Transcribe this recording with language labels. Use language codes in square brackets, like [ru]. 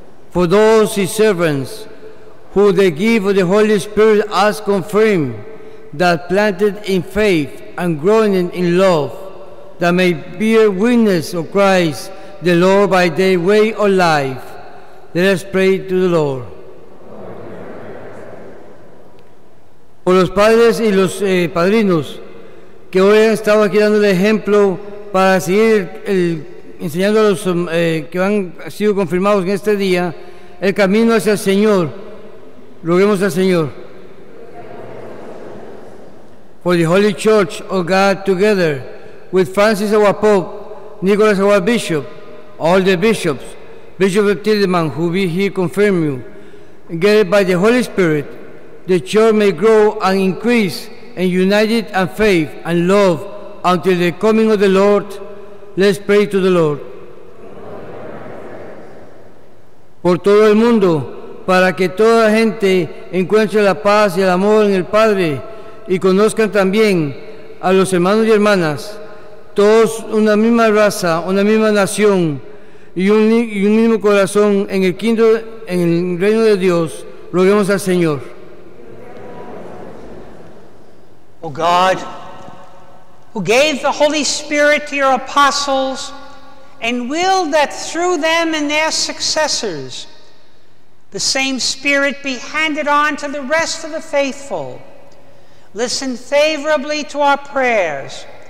[en] For those His servants, who the gift of the Holy Spirit has confirmed, that planted in faith and growing in love, that may bear witness of Christ the Lord by their way of life, let us pray to the Lord. [es] Por los padres y los padrinos que hoy han estado aquí dando el ejemplo para seguir enseñando a los que han sido confirmados en este día el camino hacia el Señor. Roguemos al Señor. [en] For the Holy Church of God, together with Francis our Pope, Nicholas our Bishop, all the bishops, Bishop of Tiedemann, who be here confirm you, guided by the Holy Spirit, the Church may grow and increase and united in faith and love until the coming of the Lord, let's pray to the Lord. [es] Por todo el mundo, para que toda la gente encuentre la paz y el amor en el Padre, y conozcan también a los hermanos y hermanas, todos una misma raza, una misma nación, y un mismo corazón en el quinto, en el reino de Dios, roguemos al Señor. [en] Oh God, who gave the Holy Spirit to your apostles and willed that through them and their successors the same Spirit be handed on to the rest of the faithful, listen favorably to our prayers.